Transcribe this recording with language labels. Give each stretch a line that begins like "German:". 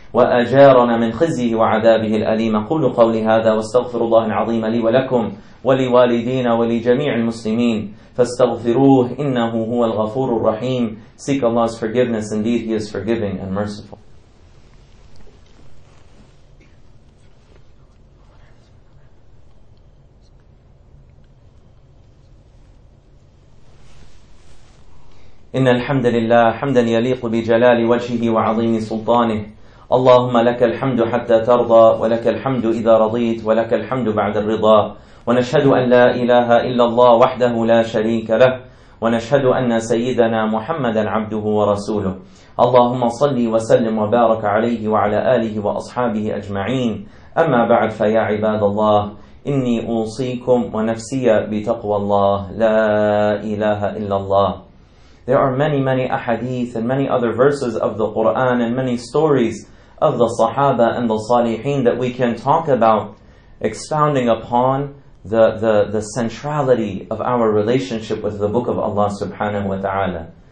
Arabic: وأجارنا من خزيه وعذابه الأليم أقول قولي هذا واستغفر الله العظيم لي ولكم ولوالدينا ولجميع المسلمين فاستغفروه إنه هو الغفور الرحيم.
English: Seek Allah's forgiveness, indeed He is forgiving and merciful.
Arabic: إن الحمد لله حمدا يليق بجلال وجهه وعظيم سلطانه اللهم لك الحمد حتى ترضى ولك الحمد إذا رضيت ولك الحمد بعد الرضا ونشهد أن لا إله إلا الله وحده لا شريك له ونشهد أن سيدنا محمدا عبده ورسوله اللهم صل وسلم وبارك عليه وعلى آله وأصحابه أجمعين أما بعد فيا عباد الله إني أوصيكم ونفسي بتقوى الله لا إله إلا الله.
English: There are many, many ahadith and many other verses of the Qur'an and many stories of the Sahaba and the Salihin that we can talk about, expounding upon the centrality of our relationship with the Book of Allah subhanahu wa ta'ala.